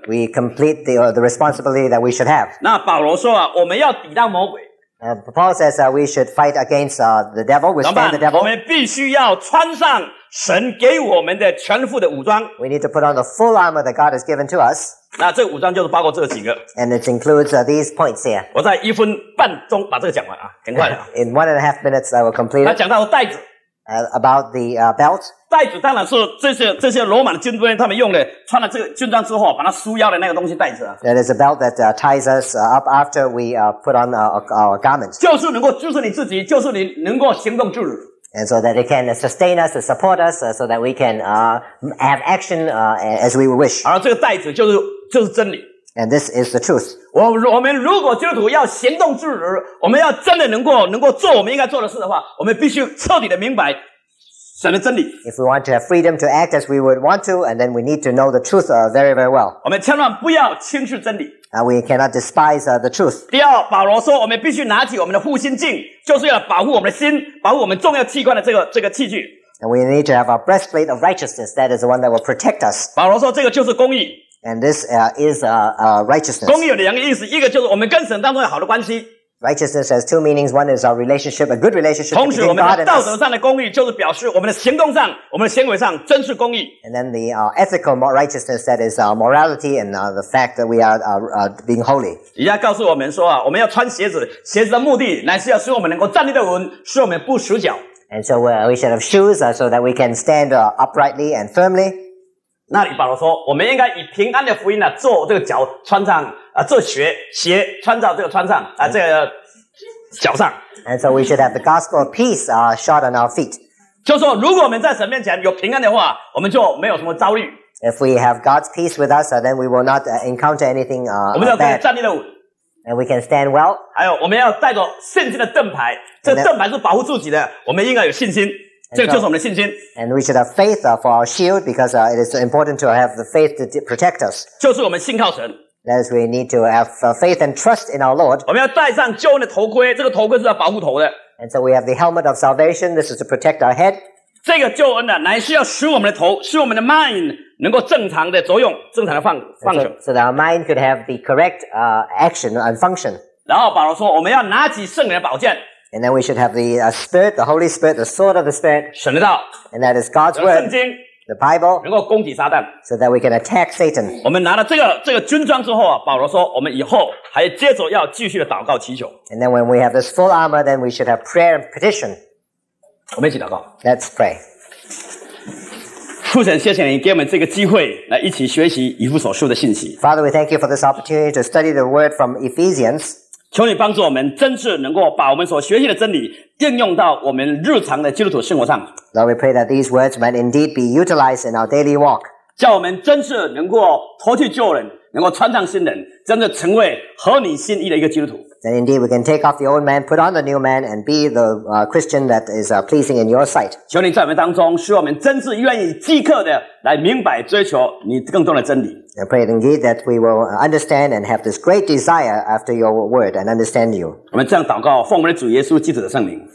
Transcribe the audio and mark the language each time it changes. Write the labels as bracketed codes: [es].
[en] We complete the responsibility that we should have. [zh] 那保罗说啊，我们要抵挡魔鬼。 [en] Paul says that we should fight against the devil. Withstand the devil. [zh] 我们必须要穿上神给我们的全副的武装。 [en] We need to put on the full armor that God has given to us. [zh] 那这五章就是包括这几个。 [en] And it includes these points here. [zh] 我在一分半钟把这个讲完啊，很快的。 [en] In 1.5 minutes, I will complete it. [zh] 那讲到带子。 [en] About the belt. [zh] 带子当然是这些罗马的军官他们用的，穿了这个军装之后，把它束腰的那个东西带子啊。 [en] That is a belt that ties us up after we put on our garments. [zh] 就是能够支持你自己，就是你能够行动自如。 [en] And so that it can sustain us, support us, so that we can have action as we wish. [zh] 而这个带子就是真理。 [en] And this is the truth. [zh] 我们如果基督徒要行动自如，我们要真的能够做我们应该做的事的话，我们必须彻底的明白神的真理。 [en] If we want to have freedom to act as we would want to, and then we need to know the truth very, very well. [zh] 我们千万不要轻视真理。 [en] We cannot despise the truth. [zh] 第二，保罗说，我们必须拿起我们的护心镜，就是要保护我们的心，保护我们重要器官的这个器具。 [en] And we need to have a breastplate of righteousness. That is the one that will protect us. [zh] 保罗说，这个就是公义。 [en] And this is righteousness. [zh] 公义有两个意思，一个就是我们跟神当中有好的关系。 [en] Righteousness has two meanings. One is our relationship, a good relationship with God. [zh] 同时，我们的道德上的公义就是表示我们的行动上、我们的行为上真是公义。 [en] And then the ethical righteousness, that is our morality and the fact that we are being holy. [zh] 以下告诉我们说啊，我们要穿鞋子，鞋子的目的乃是要使我们能够站立得稳，使我们不赤脚。 [en] And so we should have shoes so that we can stand uprightly and firmly. [zh] 那里保罗说，我们应该以平安的福音呢、啊，做这个脚穿上。做鞋穿到这个穿上啊，这个脚上。 [en] And so we should have the gospel of peace shod on our feet. [zh] 就说如果我们在神面前有平安的话，我们就没有什么遭遇。 [en] If we have God's peace with us, then we will not encounter anything bad. [zh] 我们要可以站立得稳。 [en] And we can stand well. [zh] 还有我们要带着信心的盾牌，这个盾牌是保护自己的，我们应该有信心。这个就是我们的信心。 [en] And we should have faith for our shield because it is important to have the faith to protect us. [zh] 就是我们信靠神。 [en] As we need to have faith and trust in our Lord. [zh] 我们要戴上救恩的头盔，这个头盔是要保护头的。 [en] And so we have the helmet of salvation. This is to protect our head. [zh] 这个救恩呢，乃是要使我们的头，使我们的 mind 能够正常的作用，正常的function. [en] So that our mind could have the correct action and function. [zh] 然后保罗说，我们要拿起圣灵的宝剑。 [en] And then we should have the spirit, the Holy Spirit, the sword of the Spirit. [zh] 神的道。 [en] And that is God's word. [zh] 圣经。 [en] The Bible, [zh] 能够攻击撒旦 [en] so that we can attack Satan. [zh] 我们拿了这个军装之后啊，保罗说，我们以后还接着要继续的祷告祈求。 [en] And then when we have this full armor, then we should have prayer and petition. [zh] 我们一起祷告。 [en] Let's pray. [zh] 父神，谢谢你给我们这个机会来一起学习以弗所书的信息。 [en] Father, we thank you for this opportunity to study the word from Ephesians. [zh] 求你帮助我们，真是能够把我们所学习的真理。应用到我们日常的基督徒生活上。 [en] Lord, we pray that these words might indeed be utilized in our daily walk. [zh] 叫我们真是能够脱去旧人，能够穿上新人，真的成为合你心意的一个基督徒。 [en] Then indeed we can take off the old man, put on the new man, and be the Christian that is pleasing in your sight. [zh] 求你在我们当中，使我们真是愿意即刻的来明白追求你更多的真理。 [en] I pray indeed that we will understand and have this great desire after your word and understand you. [zh] 我们这样祷告，奉我们的主耶稣基督的圣名。